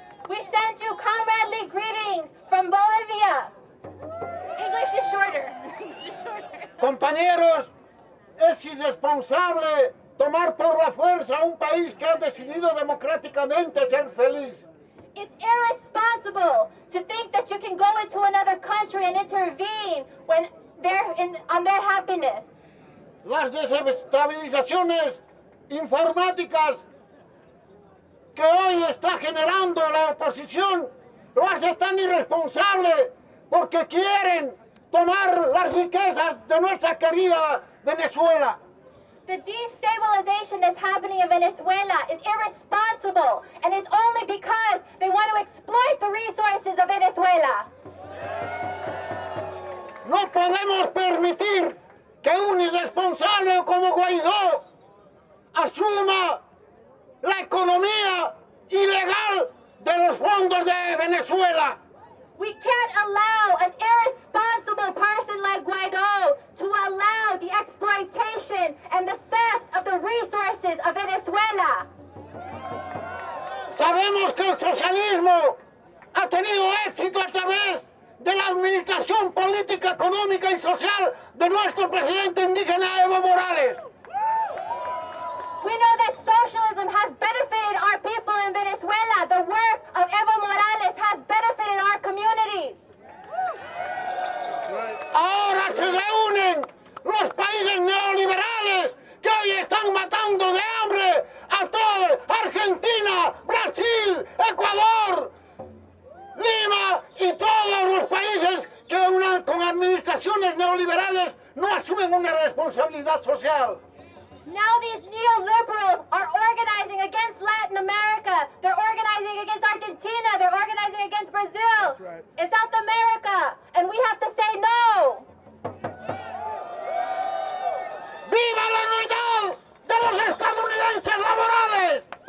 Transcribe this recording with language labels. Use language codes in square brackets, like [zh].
[en] We send you comradely greetings from Bolivia. English is shorter. [es] Compañeros, es irresponsable tomar por la fuerza un país que ha decidido democráticamente ser feliz. [en] It's irresponsible to think that you can go into another country and intervene when they're on their happiness. [es] Las desestabilizaciones informáticas que hoy está generando la oposición lo hace tan irresponsable porque quieren tomar las riquezas de nuestra querida Venezuela. [en] The destabilization that's happening in Venezuela is irresponsible, and it's only because they want to exploit the resources of Venezuela. [es] No podemos permitir que un irresponsable como Guaidó asuma la economía ilegal de los fondos de Venezuela. [en] We can't allow an irresponsible person like Guaido to allow the exploitation and the theft of the resources of Venezuela. [es] Sabemos que el socialismo ha tenido éxito a través de la administración política, económica y social de nuestro presidente indígena Evo Morales. [en] We know that socialism has benefited our people in Venezuela. The work of Evo Morales has benefited our communities. [es] Ahora se reúnen los países neoliberales que hoy están matando de hambre a toda Argentina, Brasil, Ecuador, Lima y todos los países que con administraciones neoliberales no asumen una responsabilidad social. [en] Now these neoliberals are organizing against Latin America. They're organizing against Argentina. They're organizing against Brazil. That's right. It's South America. And we have to say no. [es] Viva la unidad de los estadounidenses laborales.